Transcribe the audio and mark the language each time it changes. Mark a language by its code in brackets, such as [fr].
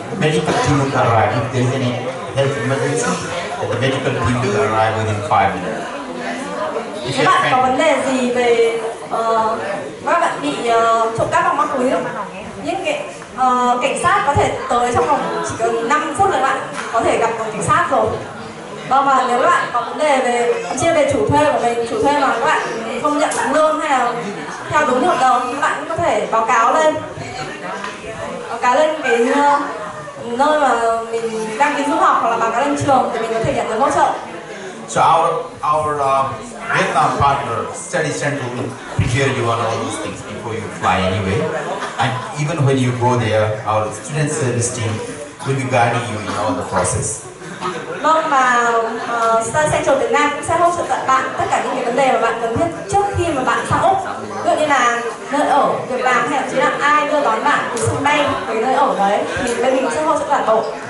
[en] The medical team will arrive. If there's any health emergency, the medical team will arrive within 5 minutes. [vi] Các bạn có vấn đề gì về các bạn bị trộm cắp vào mắt túi không? Những cảnh sát có thể tới trong vòng chỉ cần 5 phút là bạn có thể gặp một cảnh sát rồi. Vâng, và nếu các bạn có vấn đề về chia về chủ thuê của mình, chủ thuê mà các bạn không nhận đúng lương hay là theo đúng hợp đồng, các bạn cũng có thể báo cáo lên cái nơi mà mình đăng ký du học hoặc là báo cáo lên trường thì mình có thể nhận được hỗ trợ. [en] So our Vietnam partner, Study Center, will prepare you on all these things before you fly anyway. And even when you go there, our student service team will be guiding you in all the process. [vi] Vâng, mà Study Center Việt Nam cũng sẽ hỗ trợ bạn tất cả những cái vấn đề mà bạn cần thiết trước khi mà bạn sang Úc. Ví dụ như là nơi ở, việc làm hay là chỉ là ai đưa đón bạn từ sân bay tới nơi ở đấy, thì bên mình sẽ hỗ trợ toàn bộ.